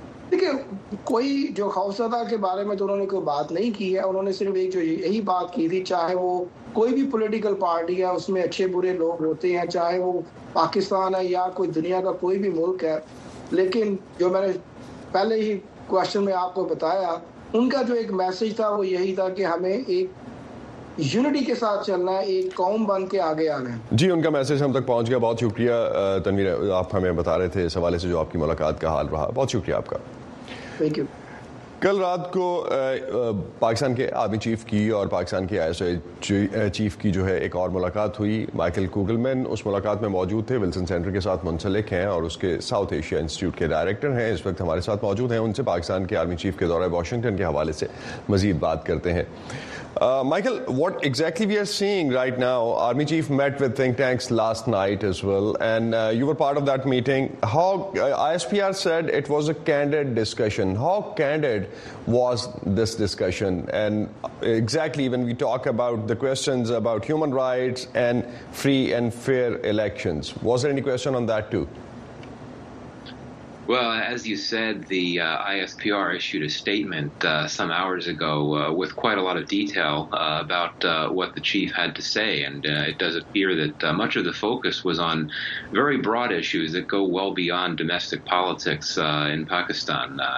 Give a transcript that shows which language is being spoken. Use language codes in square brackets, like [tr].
[ur] دیکھیے، کوئی جو خوفزدہ کے بارے میں تو انہوں نے کوئی بات نہیں کی ہے، انہوں نے صرف ایک جو یہی بات کی تھی، چاہے وہ کوئی بھی پولیٹیکل پارٹی ہے، اس میں اچھے برے لوگ ہوتے ہیں، چاہے وہ پاکستان ہے یا کوئی دنیا کا کوئی بھی ملک ہے، لیکن جو میں نے پہلے ہی کوشچن میں آپ کو بتایا، ان کا جو ایک میسج تھا وہ یہی تھا کہ ہمیں ایک یونٹی کے ساتھ چلنا ہے، ایک قوم بن کے آگے آنا ہے۔ جی، ان کا میسج ہم تک پہنچ گیا، بہت شکریہ تنویر، آپ ہمیں بتا رہے تھے اس حوالے سے جو آپ کی ملاقات کا حال رہا، بہت شکریہ آپ کا۔ [en] Thank you. [ur] کل رات کو پاکستان کے آرمی چیف کی اور پاکستان کے آئی ایس او چیف کی جو ہے ایک اور ملاقات ہوئی، مائیکل کوگلمین اس ملاقات میں موجود تھے، ولسن سینٹر کے ساتھ منسلک ہیں اور اس کے ساؤتھ ایشیا انسٹیٹیوٹ کے ڈائریکٹر ہیں، اس وقت ہمارے ساتھ موجود ہیں، ان سے پاکستان کے آرمی چیف کے دورہ واشنگٹن کے حوالے سے مزید بات کرتے ہیں۔ [en] Michael, what exactly we are seeing right now, army chief met with think tanks last night as well and you were part of that meeting, how I S P R said it was a candid discussion, how candid was this discussion, and exactly when we talk about the questions about human rights and free and fair elections, was there any question on that too? Well, as you said, the ISPR issued a statement some hours ago with quite a lot of detail about what the chief had to say, and it does appear that much of the focus was on very broad issues that go well beyond domestic politics in Pakistan.